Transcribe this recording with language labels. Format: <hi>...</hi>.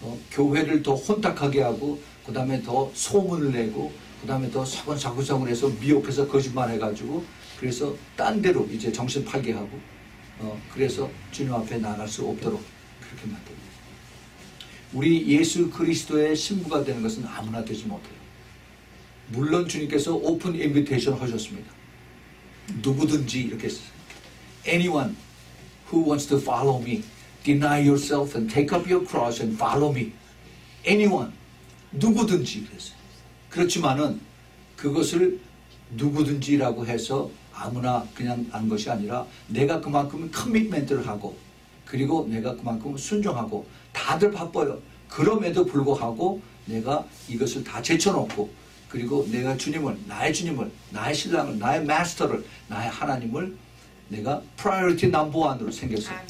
<ko>교회를 더 혼탁하게 하고 그 다음에 더 소문을 내고 그 다음에 더 사근사근을 해서 미혹해서 거짓말 해가지고 그래서 딴 데로 이제 정신 팔게 하고 그래서 주님 앞에 나갈 수 없도록 그렇게 만듭니다. 우리 예수 그리스도의 신부가 되는 것은 아무나 되지 못해요. 물론 주님께서 오픈 인비테이션 하셨습니다. 누구든지 이렇게</ko> <en>Anyone who wants to follow me, deny yourself and take up your cross and follow me.</en> <ko>Anyone, 누구든지 그랬어요. 그렇지만은 그것을 누구든지라고 해서 아무나 그냥 하는 것이 아니라 내가 그만큼 커미트먼트를 하고 그리고 내가 그만큼 순종하고 다들 바빠요. 그럼에도 불구하고 내가 이것을 다 제쳐놓고 그리고 내가 주님을, 나의 신랑을, 나의 마스터를, 나의 하나님을 내가 프라이어리티 넘버 원으로 생겼어요.</ko>